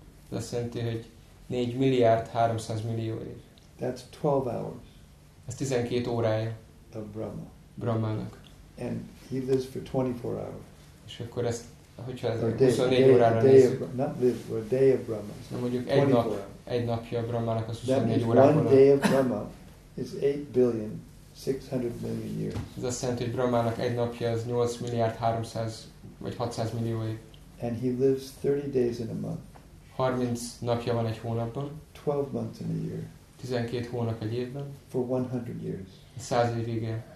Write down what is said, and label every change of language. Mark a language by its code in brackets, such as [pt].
[hu] Ez azt jelenti, hogy 4,3 milliárd év. [en] That's 12 hours. [hu] Ez 12 órája. [en] Of Brahma. [hu] Brahmának. [en] And he lives for 24 hours. [hu] És akkor ezt, hogyha ez 24 órára nézzük. [en] Not live, or a day of Brahma. [hu] Nem mondjuk egy nap, egy napja Brahmának az 24 órában. [en] That means one day of Brahma is 8,600,000,000 years. [hu] Ez azt jelenti, hogy Brahmának egy napja az 8,300,000,000 vagy 600 millió év. [en] And he lives 30 days in a month. [hu] 30 napja van egy hónapban. [en] 12 months in a year. [hu] 12 hónap egy évben. [en] For 100 years. [hu] 100 évig.